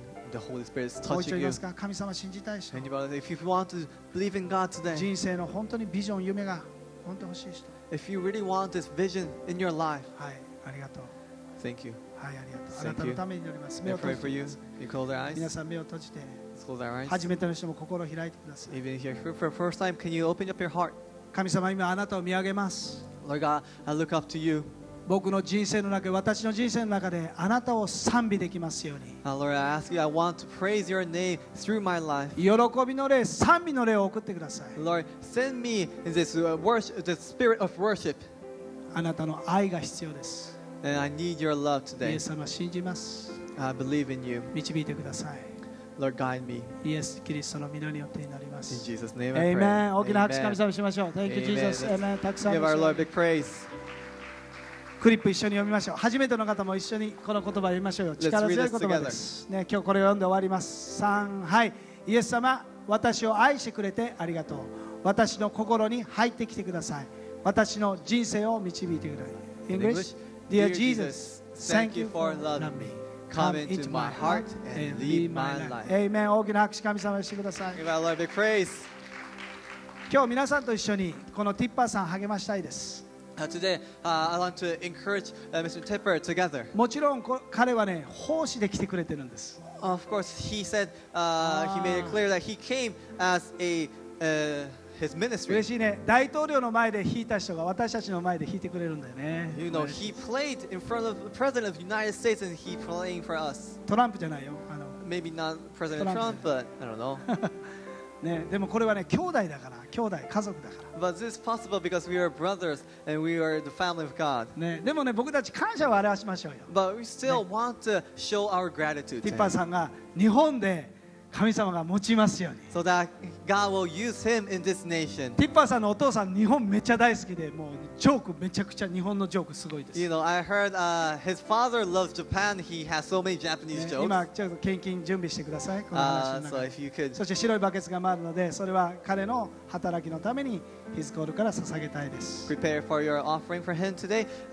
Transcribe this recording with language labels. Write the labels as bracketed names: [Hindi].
[English] The Holy Spirit is touching you. [Japanese] 神様信じたいでしょ。 [English] Anybody, if you want to believe in God today, [Japanese] 人生の本当にビジョン夢が本当に欲しい人。 [English] If you really want this vision in your life, [Japanese] はい、ありがとう。 [English] Thank you. [Japanese] はい、ありがとう。あなたのために祈ります。目を閉じてください。 [English] You close your eyes. [Japanese] 皆さん目を閉じて。 [English] Close your eyes. [Japanese] 初めての人も心を開いてください。 [English] Even here for the first time, can you open up your heart? [Japanese] 神様、今あなたを見上げます。 [English] Lord God, I look up to you. [Japanese] 僕の人生の中、私の人生の中であなたを賛美できますように。 [English] Lord, I ask you, I want to praise your name through my life. [Japanese] 喜びの霊、賛美の霊を送ってください。 [English] Lord, send me this worship, the spirit of worship. [Japanese] あなたの愛が必要です。 [English] And I need your love today. [Japanese] イエス様、信じます。 [English] I believe in you. [Japanese] 導いてください。 [English] Lord, guide me. [Japanese] イエス・キリストの御名によって祈ります。 [English] In Jesus' name, I pray. Amen. [Japanese] 大きな拍手、神様にしましょう。 [English] Thank you, Jesus. Amen. [Japanese] たくさん。 [English] Give our Lord big praise. [Japanese] クリップ一緒に読みましょう。初めての方も一緒にこの言葉を読みましょうよ。力強い言葉です、ね、今日これを読んで終わります。3、はい、イエス様、私を愛してくれてありがとう。私の心に入ってきてください。私の人生を導いてください。 [English] English? Dear Jesus, thank you for loving me. Come into my heart and lead my life. Amen. [Japanese] 大きな拍手、神様にしてください。 [English] Give our Lord big praise. [Japanese] 今日皆さんと一緒にこのティッパーさん励ましたいです。 [English] Today, I want to encourage Mr. Tipper together. [Japanese] もちろん彼はね、奉仕で来てくれてるんです。 [English] Of course, he said, he made it clear that he came as a, his ministry. [Japanese] 嬉しいね。大統領の前で弾いた人が私たちの前で弾いてくれるんだよね。 [English] You know, he played in front of the President of the United States and he playing for us. [Japanese] トランプじゃないよ。 [English] Maybe not President Trump, but I don't know. [Japanese] ね、でもこれはね、兄弟だから、兄弟、家族だから。 [English] But this is possible because we are brothers and we are the family of God. [Japanese] ね、でもね、僕たち感謝を表しましょうよ。 [English] But we still want to show our gratitude. [Japanese] ティッパーさんが日本で神様が用いますように。 [English] So that God will use him in this nation. [Japanese] ティッパーさんのお父さん日本めっちゃ大好きで、もうジョークめちゃくちゃ日本のジョークすごいです。 [English] You know, I heard his father loves Japan. He has so many Japanese jokes. [Japanese] 今ちょっと献金準備してください。 [English] So if you could. [Japanese] そして白いバケツが回るので、それは彼の働きのために。 [English] His call [Japanese] から捧げたいです。 [English] Prepare for your offering for him today.